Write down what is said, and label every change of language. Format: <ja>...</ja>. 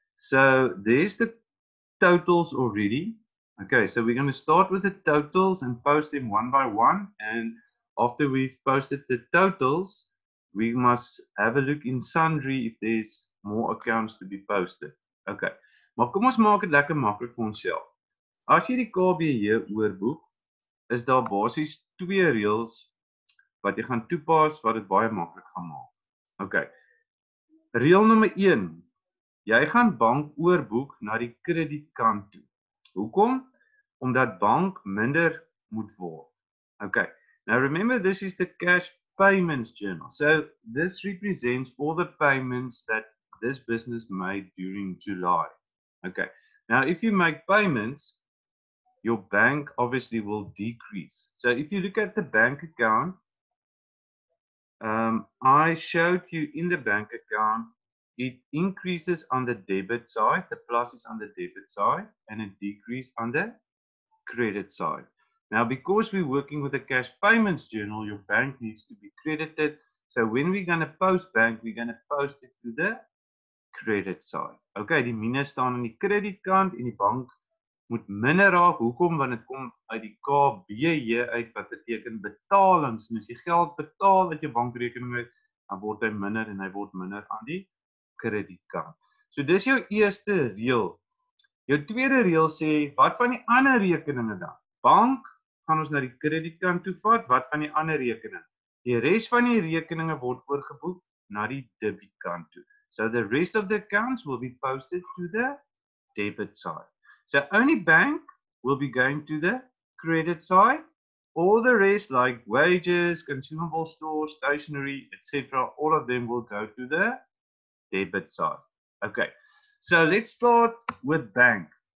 <en>So there's the totals already. Okay, so we're going to start with the totals and post them one by one. And after we've posted the totals, we must have a look in sundry if there's more accounts to be posted.</en> <af>Okay, maar kom ons maak het lekker makkelijk vir onsself. As jy die KBJ oorboek, is daar basis twee reels wat jy gaan toepas wat het baie makkelijk gaan maak. Okay, reel nummer 1. Jy gaan bank oorboek na die kredietkant toe. Hoekom? Omdat bank minder moet word.</af> <en>Okay, now remember this is the cash payments journal. So this represents all the payments that this business made during July. Okay, now if you make payments, your bank obviously will decrease. So if you look at the bank account, I showed you in the bank account, it increases on the debit side, the plus is on the debit side, and it decreases on the credit side. Now, because we're working with a cash payments journal, your bank needs to be credited. So when we're going to post bank, we're going to post it to the credit side.</en> <af>Okay, die minus staan aan die credit kant, en die bank moet minder raak. Hoekom? Want het kom uit die KBJ uit, wat beteken betalings. En as die geld betaal uit jou bankrekening uit, dan word hy minder, en hy word minder aan die kredietkaart. So dis jou eerste reel. Jou tweede reel sê, wat van die ander rekeninge dan? Bank, gaan ons na die kredietkaart toe vat, wat van die ander rekening? Die res van die rekeninge word oorgeboek na die debietkaart toe.</af> <en>So the rest of the accounts will be posted to the debit side. So only bank will be going to the credit side. All the rest like wages, consumable stores, stationery, etc. All of them will go to the debit side. Okay, so let's start with bank.</en>